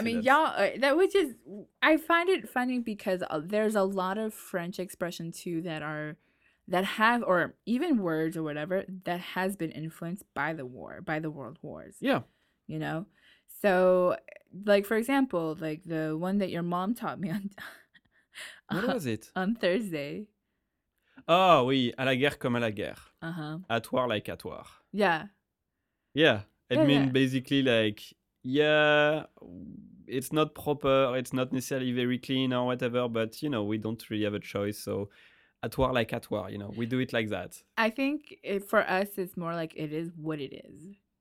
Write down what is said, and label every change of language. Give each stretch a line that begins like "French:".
English: I mean, y'all, that was just... I find it funny because there's a lot of French expression too that have, or even words or whatever, that has been influenced by the war, by the world wars. Yeah. You know? So, like, for example, like the one that your mom taught me on... what was it? On Thursday...
French: Oh, oui, à la guerre comme à la guerre.
English: Uh-huh. At war like at war. Yeah. Yeah. It means basically like, yeah, it's not proper, it's not necessarily very clean or whatever, but, you know, we don't really have a choice. So at war like at war, you know, we do it like that. I think for us, it's more like it is what it is.